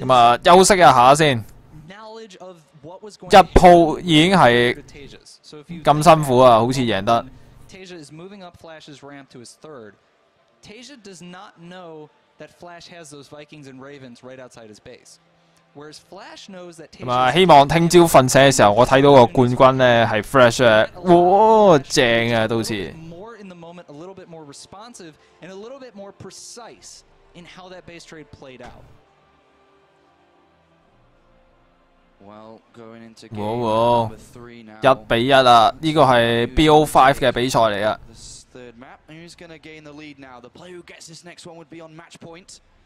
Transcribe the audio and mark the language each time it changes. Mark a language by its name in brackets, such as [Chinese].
[Cantonese] 咁啊，休息一下先。 [English] Knowledge of what was going on. [Cantonese] 一鋪已經係咁辛苦啊，好似贏得。 [English] Taser is moving up Flash's ramp to his third. Taser does not know that Flash has those Vikings and Ravens right outside his base. Whereas Flash knows that Taser. [Cantonese] 咁啊，希望听朝瞓醒嘅时候，我睇到个冠军咧系 Flash 啊，哇，正啊，到时。 [English] More in the moment, a little bit more responsive, and a little bit more precise in how that base trade played out. Well, going into game number three now. [Cantonese] 1-1 啦，呢个系 BO5 嘅比赛嚟啊。 [English] Third map, who's going to gain the lead now? The player who gets this next one would be on match point.